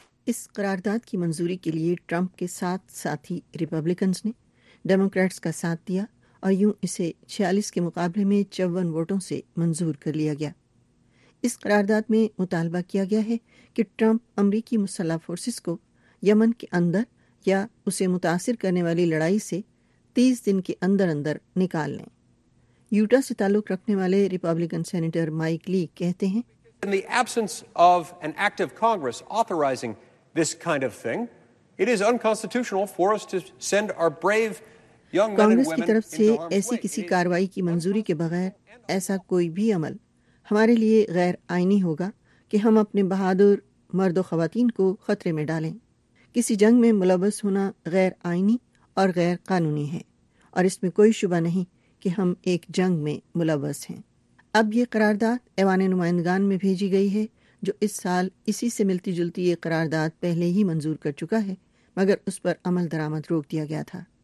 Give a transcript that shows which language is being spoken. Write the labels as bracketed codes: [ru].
[ur] اس قرارداد کی منظوری کے لیے ٹرمپ کے ساتھ ساتھی ریپبلکنز نے ڈیموکریٹس کا ساتھ دیا اور یوں اسے 46 کے مقابلے میں 54 ووٹوں سے منظور کر لیا گیا۔ اس قرارداد میں مطالبہ کیا گیا ہے کہ ٹرمپ امریکی مسلح فورسز کو یمن کے اندر یا اسے متاثر کرنے والی لڑائی سے 30 دن کے اندر اندر نکال لیں۔ یوٹا سے تعلق رکھنے والے ریپبلکن سینیٹر مائک لی کہتے ہیں، [en] In the absence of an active Congress authorizing this kind of thing, it is unconstitutional for us to send our brave young men and women into harm's way. [ur] ایسی کسی کاروائی کی منظوری کے بغیر ایسا کوئی بھی عمل ہمارے لیے غیر آئینی ہوگا کہ ہم اپنے بہادر مرد و خواتین کو خطرے میں ڈالیں۔ کسی جنگ میں ملوث ہونا غیر آئینی اور غیر قانونی ہے، اور اس میں کوئی شبہ نہیں کہ ہم ایک جنگ میں ملوث ہیں۔ اب یہ قرارداد ایوان نمائندگان میں بھیجی گئی ہے جو اس سال اسی سے ملتی جلتی یہ قرارداد پہلے ہی منظور کر چکا ہے، مگر اس پر عمل درآمد روک دیا گیا تھا۔